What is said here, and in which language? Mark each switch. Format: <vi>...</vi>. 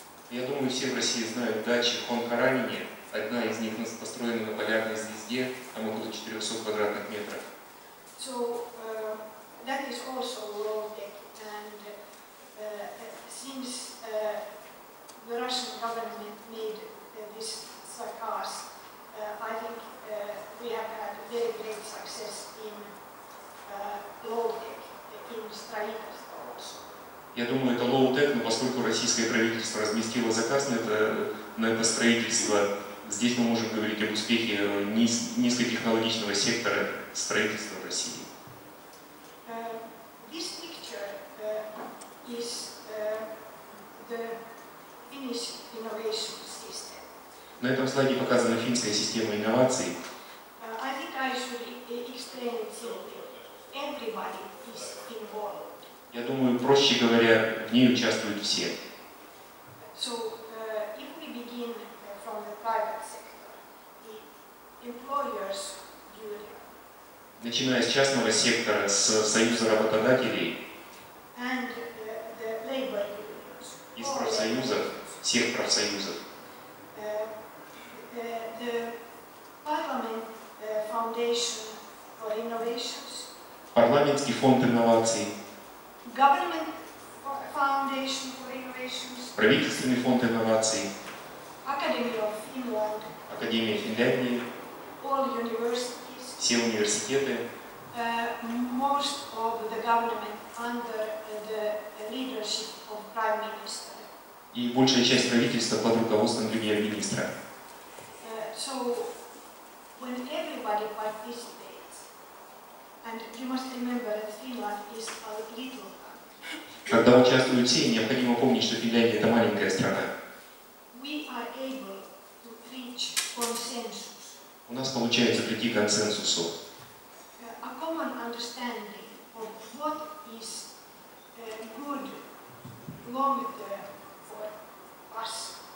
<ru>Я думаю, все в России знают дачи Хонкаранине. Одна из них построена на полярной звезде, там около 400 квадратных метров.</ru> <en>So that is also low tech, and since the Russian government made this sarcas, I think we have had very great success in low tech in строительство also.</en> <ru>Я думаю, это лоу-тек, но поскольку российское правительство разместило заказ на это строительство, здесь мы можем говорить об успехе низкотехнологичного сектора строительства в России.</ru> <en>This picture is the Finnish innovation system.</en> <ru>На этом слайде показана финская система инноваций.</ru> <en>I think I should explain it simply. Everybody is involved.</en> <ru>Я думаю, проще говоря, в ней участвуют все.</ru> <en>So, if we begin from the private sector, the employers union.</en> <ru>Начиная с частного сектора, с союза работодателей.</ru> <en>And the labor unions.</en> <ru>Из профсоюзов, всех профсоюзов.</ru> <en>The parliament foundation for innovations.</en> <ru>Парламентский фонд инноваций.</ru> <en>Government Foundation for Innovations.</en> <ru>Правительственный фонд инноваций.</ru> <en>Academy of Finland.</en> <ru>Академия Финляндии.</ru> <en>All universities.</en> <ru>Все университеты.</ru> <en>Most of the government under the leadership of Prime Minister.</en> <ru>И большая часть правительства под руководством премьер-министра.</ru> <en>So when everybody participates, and you must remember that Finland is a little.</en> <ru>Когда участвуют все, необходимо помнить, что Финляндия — это маленькая страна.</ru> <en>We are able to reach consensus.</en> <ru>У нас получается прийти к консенсусу.</ru> <en>A common understanding of what is good long-term for us.</en>